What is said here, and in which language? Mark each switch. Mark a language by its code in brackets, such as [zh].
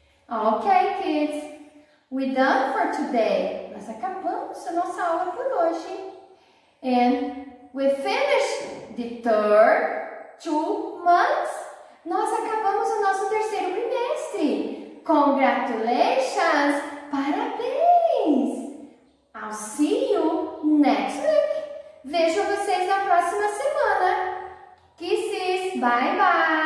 [en] Okay, kids, we're done for today. [pt] Nós acabamos a nossa aula por hoje. [en] And we finished the third 2 months. [pt] Nós acabamos o nosso terceiro trimestre. [en] Congratulations! [pt] Parabéns! [en] I'll see you next week. [pt] Vejo vocês na próxima semana. [en] Kisses! Bye, bye!